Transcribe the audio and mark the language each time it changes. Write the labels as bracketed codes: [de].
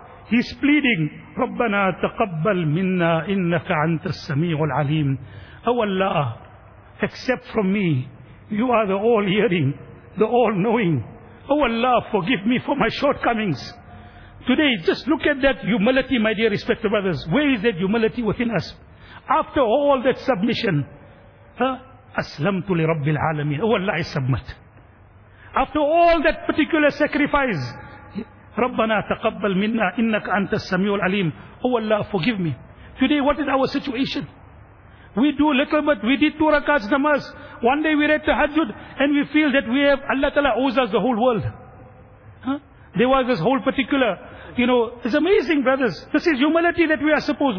[en] He's pleading, [ar] رَبَّنَا تَقَبَّلْ مِنَّا إِنَّكَ عَنْتَ السَّمِيعُ الْعَلِيمُ. [en] Oh Allah, accept from me. You are the all-hearing, the all-knowing. Oh Allah, forgive me for my shortcomings. Today, just look at that humility, my dear respected brothers. Where is that humility within us? After all that submission, [ar] أَسْلَمْتُ لِرَبِّ الْعَالَمِينَ. [en] Oh Allah, I submit. After all that particular sacrifice, [ar] رَبَّنَا تَقَبَّلْ مِنَّا إِنَّكَ أَنْتَ السَّمِيعُ الْعَلِيمُ. [en] Oh Allah, forgive me. Today, what is our situation? We do a little bit, we did two rakats namaz. One day we read tahajjud, and we feel that we have, Allah Ta'ala owes us the whole world. There was this whole particular, you know, it's amazing, brothers. This is humility that we are supposed.